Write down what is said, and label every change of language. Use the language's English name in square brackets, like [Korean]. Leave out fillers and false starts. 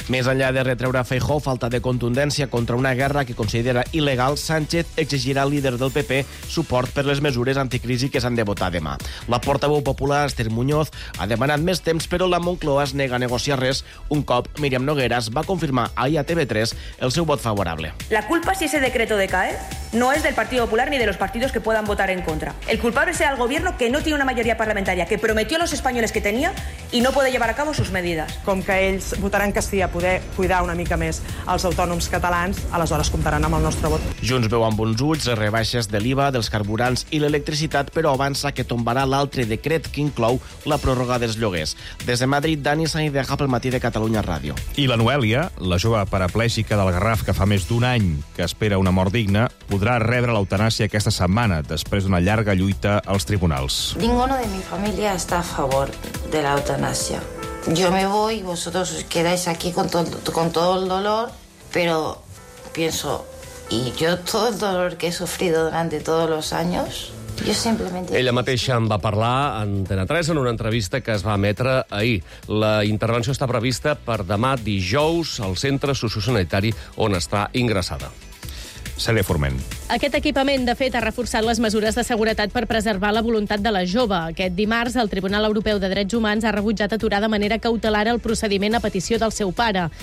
[Catalan] Més enllà de retreure a Feijóo falta de contundència contra una guerra que considera il·legal, Sánchez exigirà al líder del PP suport per les mesures anticrisi que s'han de votar demà. La portaveu popular, Esther Muñoz, ha demanat més temps, però la Moncloa es nega a negociar res un cop Míriam Nogueras va confirmar ahir a TV3 el seu vot favorable. [Spanish] La culpa si ese decreto decae no es del Partido Popular ni de los partidos que puedan votar en contra. El culpable será el gobierno que no tiene una mayoría parlamentaria, que prometió a los españoles que tenía y no puede llevar a cabo sus medidas. [Catalan] Com que ells votaran que sí a poder cuidar una mica més els autònoms catalans, aleshores comptaran amb el nostre vot. Junts veu amb bons ulls les rebaixes de l'IVA, dels carburants i l'electricitat, però avança que tombarà l'altre decret que inclou la pròrroga dels lloguers. Des de Madrid, Dani Sanidea, pel matí de Catalunya Ràdio. I la Noèlia, la jove paraplègica del Garraf que fa més d'un any que espera una mort digna, podrà rebre l'eutanàsia aquesta setmana després d'una llarga lluita als tribunals. [Spanish] Ninguno de mi familia está a favor de la eutanasia. Yo me voy, vosotros os quedáis aquí con todo el dolor, pero pienso, y yo todo el dolor que he sufrido durante todos los años, yo simplemente... [Catalan] Ella mateixa en va parlar a Antena 3 en una entrevista que es va emetre ahir. La intervenció està prevista per demà dijous al centre sociosanitari on està ingressada. Celia Forment. Aquest equipament, de fet, ha reforçat les mesures de seguretat per preservar la voluntat de la jove. Aquest dimarts, el Tribunal Europeu de Drets Humans ha rebutjat aturar de manera cautelar el procediment a petició del seu pare.